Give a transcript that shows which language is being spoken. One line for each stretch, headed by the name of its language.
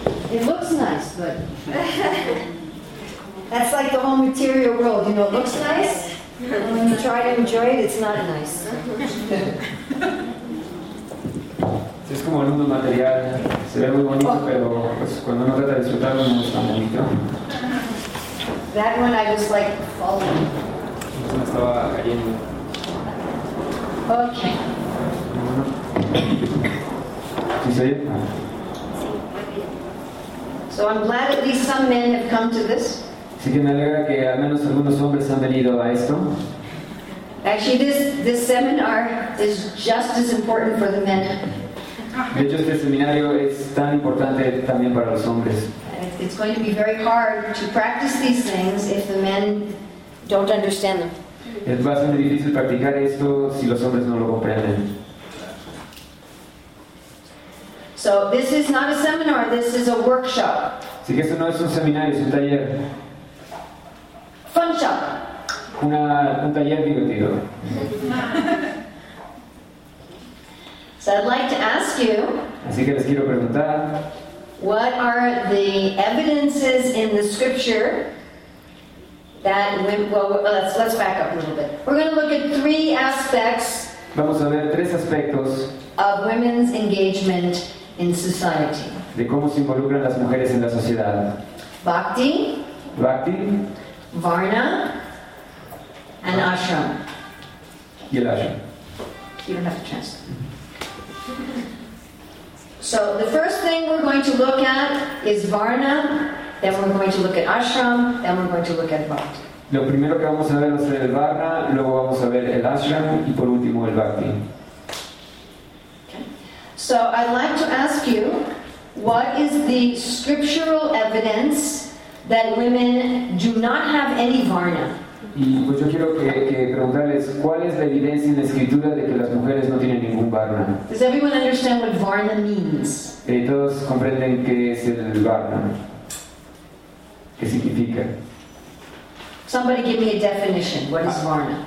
English: It looks nice, but that's like the whole material world. You know, it looks nice, and when you try to enjoy it, it's not nice.
Spanish: Es como el mundo material, se ve muy bonito, pero pues, cuando uno trata de disfrutarlo no es tan bonito.
English: That one I was like falling.
Spanish: Eso me estaba cayendo.
English: Okay.
Spanish: ¿Sí se oye?
English: So I'm glad at least some men have come to this.
Spanish: Así que me alegra que al menos algunos hombres han venido a esto.
English: Actually, this seminar is just as important for the men.
Spanish: De hecho, este seminario es tan importante también para los hombres.
English: It's going to be very hard to practice these things if the men don't understand them.
Spanish: Es bastante difícil practicar esto si los hombres no lo comprenden.
English: So this is not a seminar, this is a workshop.
Spanish: Así que esto no es un seminario, es un taller.
English: Fun shop.
Spanish: Un taller divertido.
English: So I'd like to ask you,
Spanish: así que les quiero preguntar,
English: what are the evidences in the scripture that, let's back up a little bit. We're going to look at three aspects.
Spanish: Vamos a ver tres aspectos
English: of women's engagement in society.
Spanish: De cómo se involucran las mujeres en la sociedad.
English: Bhakti, Varna, and Ashram.
Spanish: Y el Ashram.
English: You don't have a chance. So the first thing we're going to look at is Varna, then we're going to look at Ashram, then we're going to look at Bhakti.
Spanish: Lo primero que vamos a ver va a ser el Varna, luego vamos a ver el Ashram y por último el Bhakti.
English: Okay. So I'd like to ask you, what is the scriptural evidence that women do not have any Varna?
Spanish: Y pues yo quiero que preguntarles, ¿cuál es la evidencia en la escritura de que las mujeres no tienen ningún varna?
English: Does everyone understand what varna means?
Spanish: Todos comprenden qué es el varna. ¿Qué significa?
English: Somebody give me a definition. What is varna?